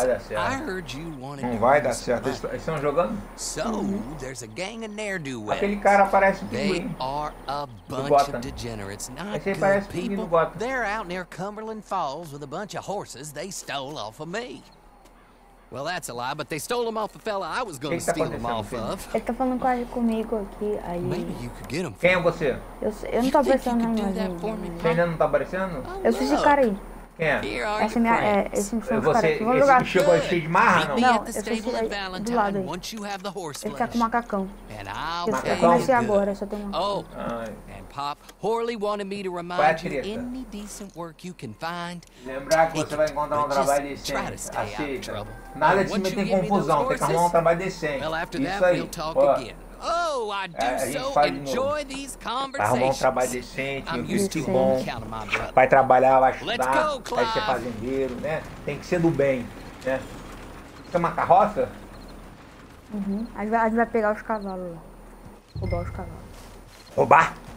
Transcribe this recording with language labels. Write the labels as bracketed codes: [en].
[pt] Listen, não vai dar certo. Eles estão jogando? [en] So, there's a gang of ne'er-do-wells. [pt] Aquele cara parece bem. [en] They are a bunch of degenerates, not good people. They're out near Cumberland Falls with a bunch of horses they stole off of me. Well, that's a lie, but they stole them off a fella I was going to steal them off of. [pt] Ele tá falando quase comigo aqui, aí. [en] Maybe you could get them. [pt] Quem é você? Eu não tô aparecendo ainda. Você ainda não tá aparecendo? Eu sou esse cara aí. [en] Yeah. [pt] Essa é minha, esse é o seu cara. Você chegou cheio de marra, não? Não, eu sou aí, do lado aí. Ele tá com macacão. Macacão? Eu comecei agora, só tem um. [en] And Pop Horley wanted me to remind you any decent work you can find. [pt] Lembrar que você vai encontrar um trabalho decente. Aceita. Nada de se meter em confusão, tem que arrumar um trabalho decente. [en] Well, after that, we'll talk again. Oh, I do so enjoy these conversations. [pt] Arrumar um trabalho decente, um visto bom. Vai trabalhar, vai estudar, vai ser fazendeiro, né? Tem que ser do bem, né? Isso é uma carroça? Uhum. A gente vai pegar os cavalos lá. Roubar os cavalos. Roubar?